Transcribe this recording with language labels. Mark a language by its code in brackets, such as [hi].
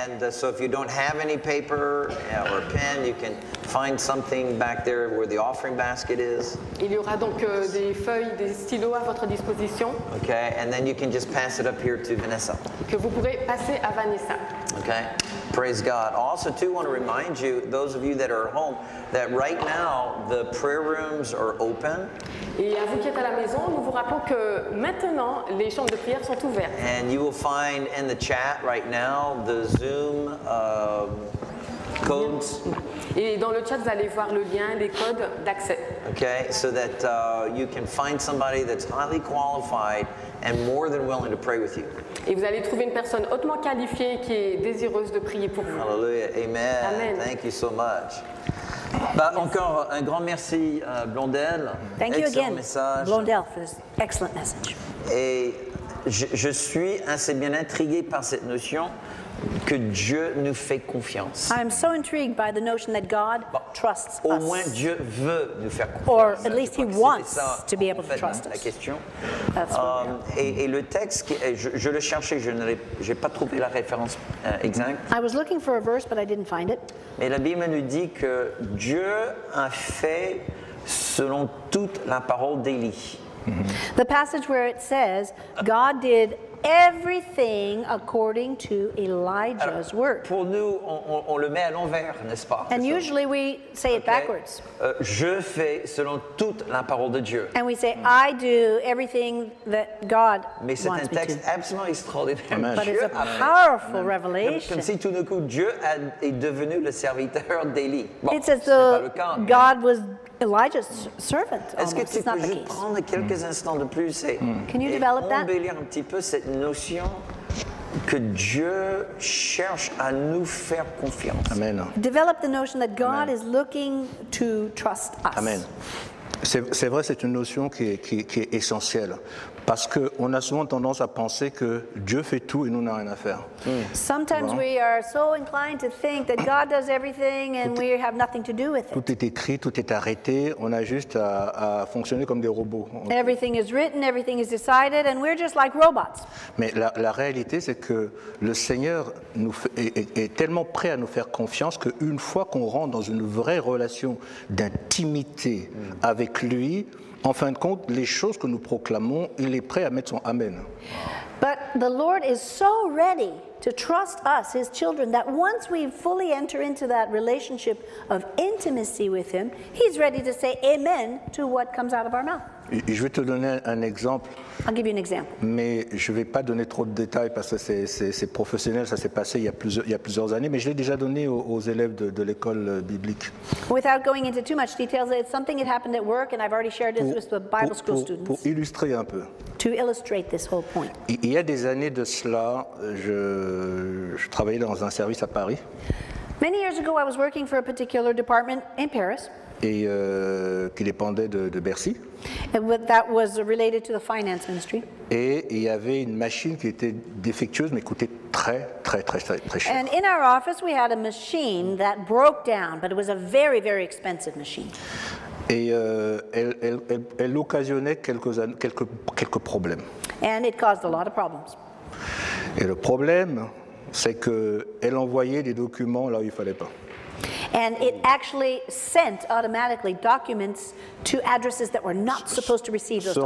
[en] So if you don't have any paper or pen, you can find something back there where the offering basket is. [fr] Il y aura donc des feuilles, des stylos à votre disposition. [en] Okay, and then you can just pass it up here to Vanessa. [fr] Que vous pourrez passer à Vanessa. [en] Okay, praise God. Also, too, want to remind you, those of you that are at home, that right now the prayer rooms are open. [fr] Et à vous qui êtes à la maison, nous vous rappelons que maintenant les chambres de prière sont ouvertes. [en] And you will find in the chat right now the Zoom codes. [fr] Et dans le chat, vous allez voir le lien, les codes d'accès. [en] Okay, so that you can find somebody that's highly qualified and more than willing to pray with you. [fr] Et vous allez trouver une personne hautement qualifiée qui est désireuse de prier pour vous. [en] Hallelujah. Amen. Amen. Thank you so much. [fr] Bah, encore un grand merci, Blondel. [en] Thank you excellent again, message. Blondel, for this excellent message. [fr] Et je suis assez bien intrigué par cette notion que Dieu nous fait confiance. [en] I am so intrigued by the notion that God trusts us. [fr] Au moins Dieu veut nous faire confiance. [en] Or at least he wants to be able to trust us. [fr] La question. [en] That's what we are. [fr] Et le texte, je le cherchais, je n'ai pas trouvé la référence exacte. [en] I was looking for a verse, but I didn't find it. [fr] Mais la Bible nous dit que Dieu a fait selon toute la parole d'Élie. [en] The passage where it says God did everything according to Elijah's work. [fr] Pour nous, on le met à l'envers, n'est-ce pas? [en] And usually we say it backwards. [fr] Je fais selon toute la parole de Dieu. [en] And we say, I do everything that God wants me to. [fr] Mais c'est un texte absolument extraordinaire. [en] Amen. But it's a powerful revelation. [fr] Comme si tout d'un coup, Dieu est devenu le serviteur d'Élie. [en] Bon, it's as though God was Elijah's servant. [fr] Est-ce [en] almost. [fr] Que tu peux juste prendre quelques instants de plus et embellir un petit peu cette notion que Dieu cherche à nous faire confiance? [en] Amen. Develop the notion that God is looking to trust us. [fr] Amen. C'est vrai, c'est une notion qui est essentielle. Parce qu'on a souvent tendance à penser que Dieu fait tout et nous n'avons rien à faire. [en] Sometimes we are so inclined to think that God does everything and we have nothing to do with it. [fr] Tout est écrit, tout est arrêté, on a juste à fonctionner comme des robots. [en] Everything is written, everything is decided and we're just like robots. [fr] Mais la réalité, c'est que le Seigneur nous est tellement prêt à nous faire confiance qu'une fois qu'on rentre dans une vraie relation d'intimité avec lui, en fin de compte, les choses que nous proclamons, il est prêt à mettre son amen. [en] But the Lord is so ready to trust us, his children, that once we fully enter into that relationship of intimacy with him, he's ready to say amen to what comes out of our mouth. [fr] Je vais te donner un exemple. [en] I'll give you an example. [fr] Mais je ne vais pas donner trop de détails parce que c'est professionnel, ça s'est passé il y a plusieurs années, mais je l'ai déjà donné aux élèves de l'école biblique. [en] Without going into too much details, it's something that happened at work and I've already shared this with the Bible school students. [fr] Pour illustrer un peu. [en] To illustrate this whole point. [fr] Il y a des années de cela, je travaillais dans un service à Paris. [en] Many years ago, I was working for a particular department in Paris. [fr] Et qui dépendait de Bercy. [en] That was related to the finance ministry. [fr] Et il y avait une machine qui était défectueuse, mais coûtait très, très, très, très, très cher. [en] And in our office, we had a machine that broke down, but it was a very, very expensive machine. [fr] Et elle occasionnait quelques problèmes. [en] And it caused a lot of problems. [fr] Et le problème, c'est qu'elle envoyait des documents là où il ne fallait pas. [en] And it actually sent automatically documents to addresses that were not supposed to receive those documents.